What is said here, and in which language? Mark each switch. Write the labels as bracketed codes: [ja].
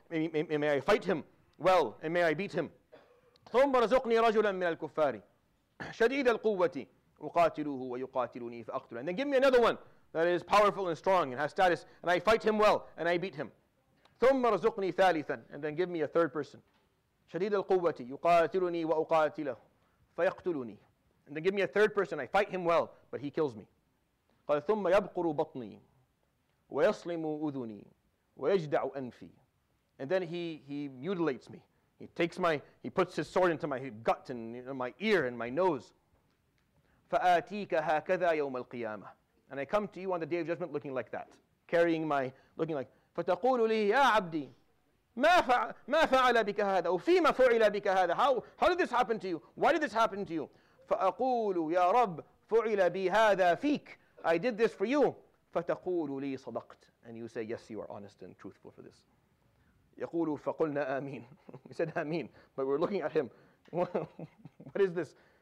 [en] May I fight him well, and may I beat him. [ar] ثُمَّ رَزُقْنِي رَجُلًا مِنَ الْكُفَّارِ شَدِيدَ الْقُوَّةِ وَقَاتِلُهُ وَيُقَاتِلُنِي فَأَقْتُلَهُ. [en] And then give me another one that is powerful and strong and has status, and I fight him well, and I beat him. [ar] ثُمَّ رَزُقْنِي ثَالِثًا. [en] And then give me a third person. [ar] شَدِيدَ الْقُوَّةِ يُقَاتِلُنِي وَأُقَاتِلَهُ فَيَقْتُلُنِي. [en] And then give me a third person. I fight him well, but he kills me. [ar] قَالَ ثُمَّ يَبْقُرُ بَطْنِي وَيَصْلِمُ أُذُنِي وَيَجْدَعُ أَنْفِي. [en] And then he mutilates me. He puts his sword into my gut and my ear and my nose. [ar] فَآتِيكَ هَكَذَا يَوْمَ الْقِيَامَةِ. [en] And I come to you on the day of judgment looking like that, carrying my, looking like, [ar] فَتَقُولُ لِي يَا عَبْدِي مَا فَعَلَ بِكَ هَذَا وَفِيمَ فُعِلَ بِكَ هَذَا. [en] How did this happen to you? Why did this happen to you? [ar] فَأَقُولُ يَا رَبْ فُعِلَ بِي هَذَا فِيكَ. [en] I did this for you. [ar] فَتَقُولُ لِي صَدَقْتَ. [en] And you say, yes, you are honest and truthful for this. [ar] يَقُولُ فَقُلْنَا آمين. [en] We said آمين, but we're looking at him. What is this?